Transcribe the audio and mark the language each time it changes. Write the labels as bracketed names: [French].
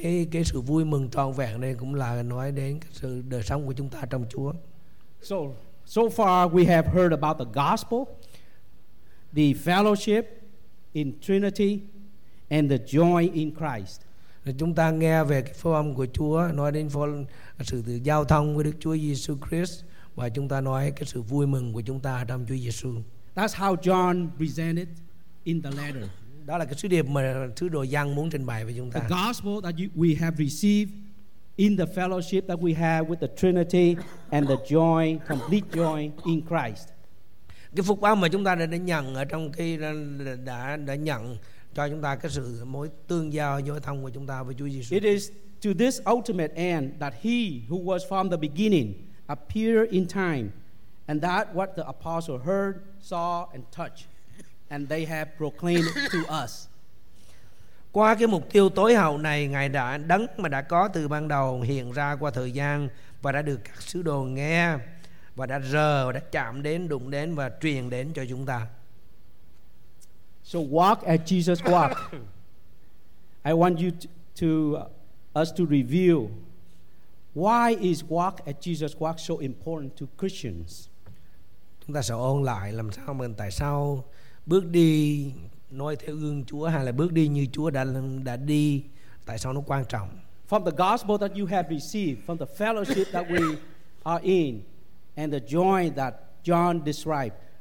[Vietnamese] Cái sự vui mừng trọn vẹn đây cũng là nói đến sự đời sống của chúng ta trong Chúa. [English] So far we have heard about the gospel, the fellowship in Trinity, and the joy in Christ. [Vietnamese] Chúng ta nghe về cái phúc âm của Chúa, nói đến sự tự giao thông với Đức Chúa Jesus Christ, và chúng ta nói cái sự vui mừng của chúng ta trong Chúa Jesus. [English] That's how John presented in the letter. [Vietnamese] Đó là cái sứ điệp mà sứ đồ Giăng muốn trình bày với chúng ta. [English] The gospel that we have received in the fellowship that we have with the Trinity and the joy, complete joy in Christ. [Vietnamese] Cái phúc âm mà chúng ta đã nhận ở trong cái đã nhận cho chúng ta cái sự mối tương giao giao thông của chúng ta với Chúa Jesus. [English] It is to this ultimate end that he who was from the beginning appeared in time, and that what the apostle heard, saw and touched, and they have proclaimed to us. [Vietnamese] Qua cái mục tiêu tối hậu này, Ngài đã đấng mà đã có từ ban đầu hiện ra qua thời gian và đã được các sứ đồ nghe và đã rờ và đã chạm đến, đụng đến và truyền đến cho chúng ta. [English] So walk as Jesus walked. I want you to us to review why is walk as Jesus walked so important to Christians. [Vietnamese] Chúng ta sẽ ôn lại làm sao mình tại sao bước đi noi theo gương Chúa hay là bước đi như Chúa đã đi, tại sao nó quan trọng. [English] From the gospel that you have received, from the fellowship that we are in, and the joy that John described.